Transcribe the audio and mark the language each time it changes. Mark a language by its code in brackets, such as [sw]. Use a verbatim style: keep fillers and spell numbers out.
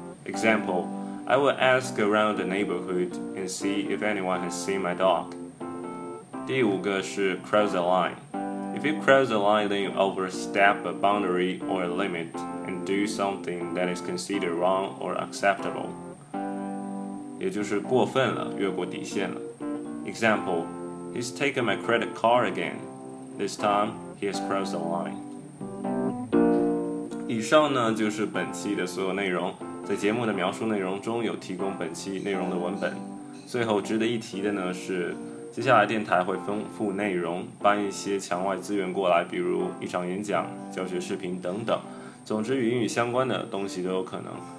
[en] Example, I will ask around the neighborhood and see if anyone has seen my dog. [zh] 第五个是 [en] cross the line. If you cross the line, then you overstep a boundary or a limit and do something that is considered wrong or acceptable. [zh] 也就是过分了，越过底线了。 [en] Example, he's taken my credit card again. This time, he has crossed the line. [zh] 以上呢就是本期的所有内容，在节目的描述内容中有提供本期内容的文本。最后值得一提的呢是，接下来电台会丰富内容，搬一些墙外资源过来，比如一场演讲、教学视频等等，总之与英语相关的东西都有可能。